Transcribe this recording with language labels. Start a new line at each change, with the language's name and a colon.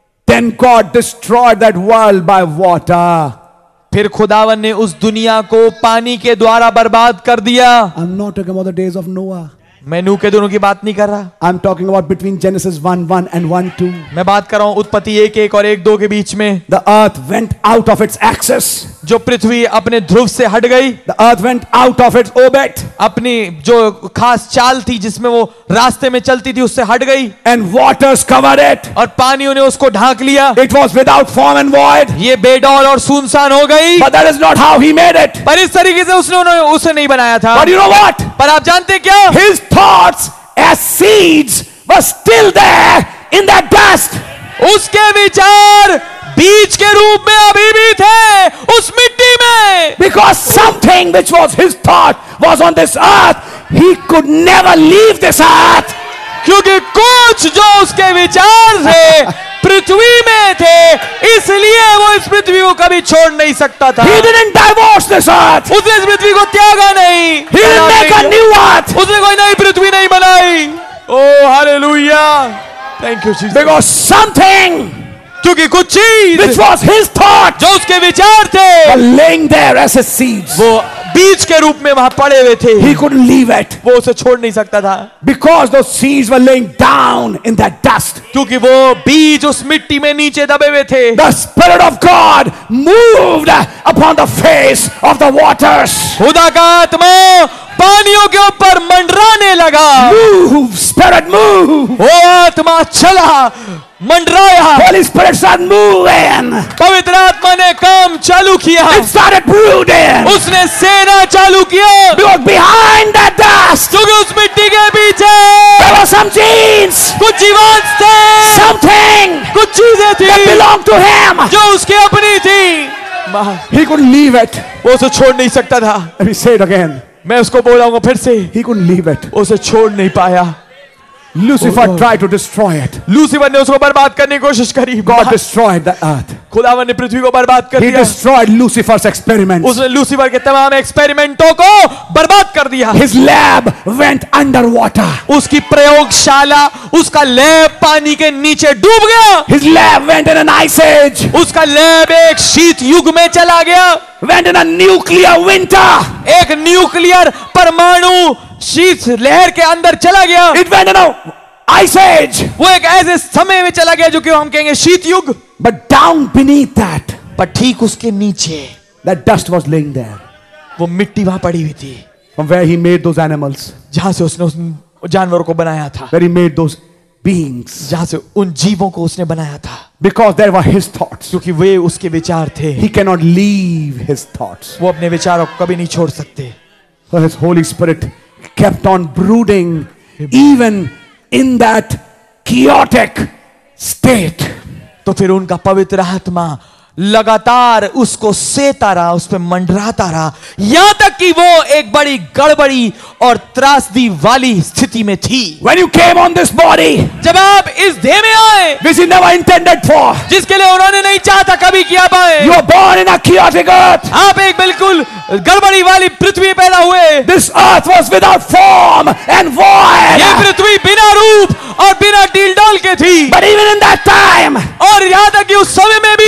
English: Then God destroyed that world by water.
Hindi: फिर खुदावन ने उस दुनिया को पानी के द्वारा बर्बाद कर दिया।
English: I'm not talking about the days of Noah.
Hindi: मैं नूह के दिनों की बात नहीं कर रहा।
English: I'm talking about between Genesis 1:1 and 1:2.
Hindi: मैं बात कर रहा हूँ उत्पत्ति 1:1 और 1:2 के बीच में।
English: The earth went out of its axis.
Hindi: जो पृथ्वी अपने ध्रुव से हट गई।
English: The earth went out of its orbit.
Hindi: अपनी जो खास चाल थी जिसमें वो रास्ते में चलती थी उससे हट गई।
English: And waters covered it.
Hindi: और पानी ने उसको ढांक लिया।
English: It was without form and void.
Hindi: ये बेडौल और सुनसान हो गई।
English: But that is not how he made it.
Hindi: पर इस तरीके से उसने उसे नहीं बनाया था।
English: But you know what?
Hindi: पर आप जानते क्या?
English: His thoughts as seeds were still there in that dust.
Hindi: उसके विचार बीज के रूप में अभी भी थे उस मिट्टी में।
English: Because something which was his thought was on this earth, he could never leave this earth.
Hindi: क्योंकि कुछ जो उसके विचार थे पृथ्वी में थे, इसलिए वो इस पृथ्वी को कभी छोड़ नहीं सकता था।
English: He didn't divorce this earth.
Hindi: उसने इस पृथ्वी को त्यागा नहीं।
English: He didn't make a new earth.
Hindi: उसने कोई नई पृथ्वी नहीं बनाई।
English: Oh hallelujah, thank you Jesus. Because something.
Hindi: क्योंकि कुछ चीज,
English: which was his thought,
Hindi: जो उसके विचार थे,
English: laying there as a seed,
Hindi: वो बीज के रूप में वहां पड़े हुए थे,
English: he couldn't leave it,
Hindi: वो उसे छोड़ नहीं सकता था,
English: because those seeds were laying down in that dust,
Hindi: क्योंकि वो बीज उस मिट्टी में नीचे दबे हुए थे,
English: the spirit of God moved upon the face of the waters,
Hindi: खुदा का आत्मा पानियों के ऊपर मंडराने लगा,
English: move, spirit move,
Hindi: वो आत्मा चला मंडराया,
English: Holy Spirit started moving,
Hindi: पवित्र आत्मा ने काम चालू किया,
English: it started brooding,
Hindi: उसने सेना चालू किया,
English: because behind that dust,
Hindi: क्योंकि उस मिट्टी के पीछे,
English: there were some genes,
Hindi: कुछ जीवांश थे,
English: something,
Hindi: कुछ चीजें थी,
English: that belonged to him,
Hindi: जो उसके अपनी थी,
English: he couldn't leave it,
Hindi: वो उसे छोड़ नहीं सकता था,
English: let me say it again,
Hindi: मैं उसको बोलाऊंगा फिर से,
English: he couldn't leave it,
Hindi: उसे छोड़ नहीं पाया।
English: Lucifer tried to destroy it.
Hindi: Lucifer ne usko barbaad karne ki koshish kari.
English: God destroyed the earth.
Hindi: खुदावन ने पृथ्वी को बर्बाद कर दिया।
English: He destroyed Lucifer's experiments.
Hindi: उसने लूसीफर के तमाम एक्सपेरिमेंटों को बर्बाद कर दिया।
English: His lab went underwater.
Hindi: उसकी प्रयोगशाला, उसका लैब पानी के नीचे डूब गया।
English: His lab went in an ice age.
Hindi: उसका लैब एक शीत युग में चला गया।
English: Went in a nuclear winter.
Hindi: एक न्यूक्लियर परमाणु शीत लहर के अंदर चला गया।
English: It went in a ice age.
Hindi: वो एक ऐसे समय में चला गया जो कि हम कहेंगे शीत युग।
English: But down beneath that,
Hindi: but ठीक उसके नीचे,
English: that dust was laying there.
Hindi: वो मिट्टी वहाँ पड़ी हुई थी.
English: From where he made those animals,
Hindi: जहाँ से उसने उस जानवरों को बनाया था.
English: Where he made those beings,
Hindi: जहाँ से उन जीवों को उसने बनाया था.
English: Because there were his thoughts,
Hindi: क्योंकि वे उसके विचार थे.
English: He cannot leave his thoughts.
Hindi: वो अपने विचारों को कभी नहीं छोड़ सकते.
English: So his Holy Spirit kept on brooding, even in that chaotic state.
Hindi: तो फिर उनका पवित्र आत्मा लगातार उसको सेता रहा, उस पर मंडराता रहा, यहां तक कि वो एक बड़ी गड़बड़ी और त्रासदी वाली स्थिति में थी।
English: When you came on this body,
Hindi: जब आप इस देह में आए,
English: which you never intended for,
Hindi: जिसके लिए उन्होंने नहीं चाहता कभी किया पाए,
English: you were born in a chaotic earth,
Hindi: आप एक बिल्कुल गड़बड़ी वाली पृथ्वी में पैदा हुए।
English: This earth was without form and void,
Hindi: ये पृथ्वी बिना रूप और बिना डील डाल के थी।
English: But even in that time,
Hindi: और यहां तक कि उस समय में भी,